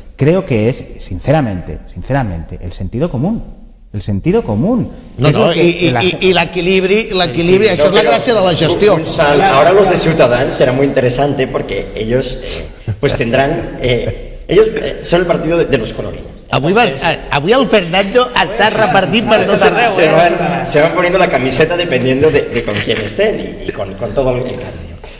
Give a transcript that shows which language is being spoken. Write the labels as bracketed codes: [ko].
[es] Creo que es, sinceramente, el sentido común. [ca] El sentit comú. L'equilibri, això és la gràcia de la gestió. [es] Gonzalo, ahora los de Ciutadans será muy interesante porque ellos pues tendrán... ellos son el partido de los colorines. [ca] Avui el Fernando està repartint per tot arreu. [es] Se van poniendo la camiseta dependiendo de con quién estén y con todo el cariño.